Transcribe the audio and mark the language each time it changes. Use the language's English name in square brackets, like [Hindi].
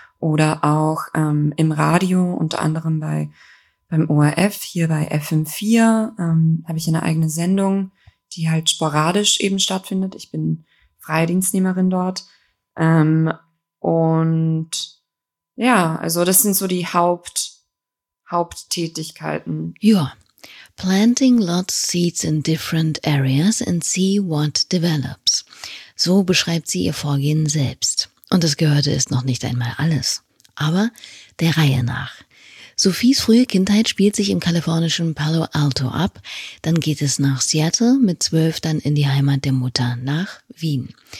[German] Oder auch im Radio, unter anderem beim ORF, hier bei FM4, habe ich eine eigene Sendung, die halt sporadisch eben stattfindet. Ich bin freie Dienstnehmerin dort. Und ja, also das sind so die Haupttätigkeiten. [English] Ja, planting lots of seeds in different areas and see what develops. [German] So beschreibt sie ihr Vorgehen selbst. Und das gehörte ist noch nicht einmal alles, aber der Reihe nach. Sophies frühe Kindheit spielt sich im kalifornischen Palo Alto ab, dann geht es nach Seattle, mit 12 dann in die Heimat der Mutter, nach Wien.